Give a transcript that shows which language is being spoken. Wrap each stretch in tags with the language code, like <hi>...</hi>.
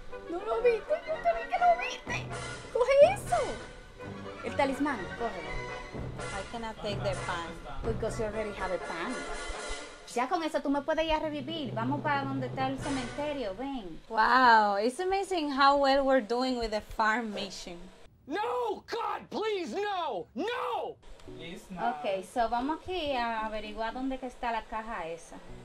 <es>No lo viste, yo creí que lo viste. Coge eso. El talismán, cógelo.</es> <en>I cannot take the pan. Because you already have a pan.</en> <es>Ya con eso tú me puedes ir a revivir. Vamos para donde está el cementerio, ven.</es> <en>Wow, it's amazing how well we're doing with the farm mission. No, God, please, no, no. It's not. Okay, so</en> <es>vamos aquí a averiguar dónde que está la caja esa.</es>